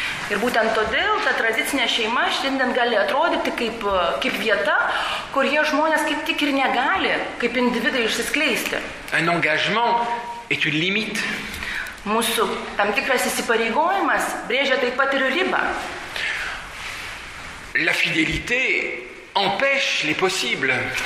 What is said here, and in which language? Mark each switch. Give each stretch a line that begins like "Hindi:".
Lithuanian: Ir būtent todėl ta tradicinė šeima šiandien gali atrodyti kaip vieta, kurie žmonės kaip tik ir negali, kaip individai išsiskleisti.
French: Un engagement est une limite.
Lithuanian: Mūsų tam tikras įsipareigojimas brėžia taip pat ir ribą.
French: La fidélité empêche les possibles.